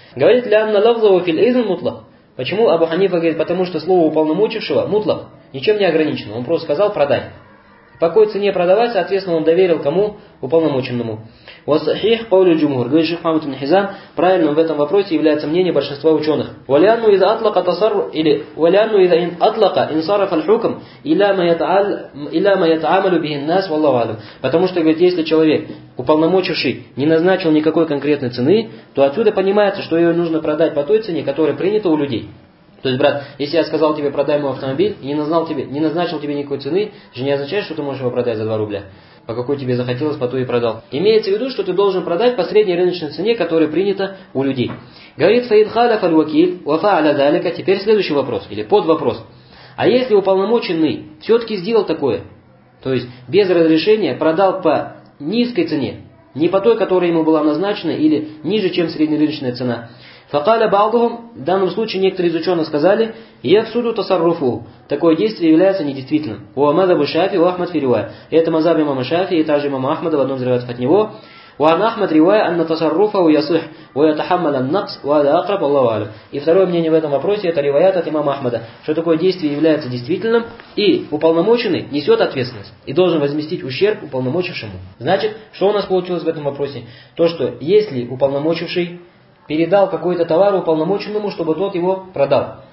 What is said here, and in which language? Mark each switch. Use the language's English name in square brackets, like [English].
[Russian] Говорит, [Arabic] лианна лавзову филь изн мутлак. [Russian] Почему Абу Ханифа говорит, потому что слово уполномочившего, мутлак, ничем не ограничено. Он просто сказал, продай. По какой цене продавать, соответственно, он доверил кому? Уполномоченному. [Arabic] وصحيح قول الجمهور [Russian] говорит шейх Мухаммад ибн Хизам, правильным в этом вопросе является мнение большинства ученых. [Arabic] ولأنه إذا أطلق تصرف [Russian] или [Arabic] ولأنه إذا أطلق انصرف الحكم إلى ما يتعامل به الناس والله أعلم. [Russian] Потому что говорит, если человек, уполномочивший, не назначил никакой конкретной цены, то отсюда понимается, что ее нужно продать по той цене, которая принята у людей. То есть, брат, если я сказал тебе, продай мой автомобиль, и не назначил тебе никакой цены, это же не означает, что ты можешь его продать за 2 рубля. По какой тебе захотелось, по той и продал. Имеется в виду, что ты должен продать по средней рыночной цене, которая принята у людей. Говорит Фаид Халаф аль-Вакиль, [Arabic] вафа аля далека. [Russian] Теперь следующий вопрос, или под вопрос. А если уполномоченный все-таки сделал такое, то есть без разрешения продал по низкой цене, не по той, которая ему была назначена, или ниже, чем среднерыночная цена, [Arabic] فقال بعضهم, [Russian] в данном случае некоторые из ученых сказали, [Arabic] я всуду тасаррафу, [Russian] такое действие является недействительным. У мазхаба Шафи и Ахмад фируа. Это мазхаб имама Шафи и также имама Ахмада в одном из риваятов от него. [Arabic] وعن أحمد رواية أن تصرفه يصح ويتحمل النقص وهذا أقرب الله أعلم. [Russian] И второе мнение в этом вопросе это риваят от имама Ахмада, что такое действие является действительным и уполномоченный несет ответственность и должен возместить ущерб уполномочившему. Значит, что у нас получилось в этом вопросе? То, что если уполномочивший передал какой-то товар уполномоченному, чтобы тот его продал.